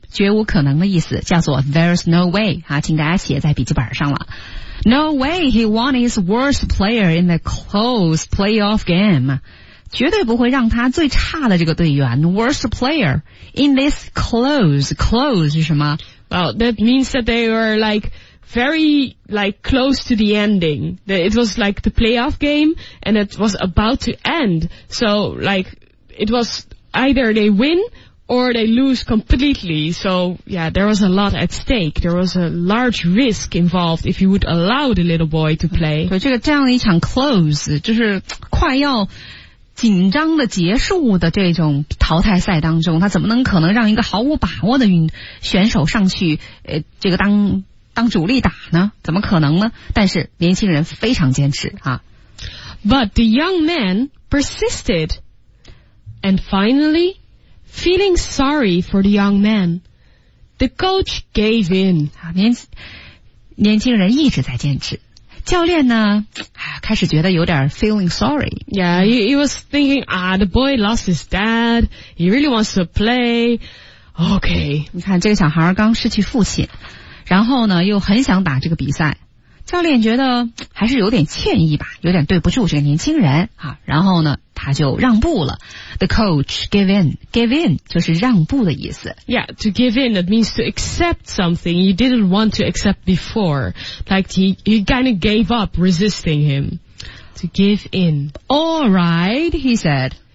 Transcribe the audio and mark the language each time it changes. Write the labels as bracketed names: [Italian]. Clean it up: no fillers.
[Chinese] 绝无可能的意思叫做 [English] there's no way, [Chinese] 啊，请大家写在笔记本上了。 [English] No way he won his worst player in the close playoff game. [Chinese] 绝对不会让他最差的这个队员 [English] worst player in this close [Chinese] 是什么？ [English] Well, that means that they were like very like close to the ending. It was like the playoff game and it was about to end. So like it was either they winOr they lose completely. So, yeah, there was a lot at stake. There was a large risk involved if you would allow the little boy to play. [Chinese] 对，这样一场 close, 就是快要紧张的结束的这种淘汰赛当中，他怎么能可能让一个毫无把握的选手上去这个当主力打呢？怎么可能呢？但是年轻人非常坚持啊。 [English] But the young man persisted. And finally,Feeling sorry for the young man, the coach gave in. [Chinese] 年轻人一直在坚持。教练呢，开始觉得有点 [English] feeling sorry. Yeah, he was thinking, the boy lost his dad. He really wants to play. Okay. [Chinese] 你看，这个小孩刚失去父亲，然后呢，又很想打这个比赛。教练觉得还是有点歉意吧，有点对不住这个年轻人啊。然后呢，他就让步了。 [English] The coach gave in [Chinese] 就是让步的意思。 [English] Yeah, to give in, that means to accept something you didn't want to accept before. Like he kind of gave up resisting him. To give in. All right, he said.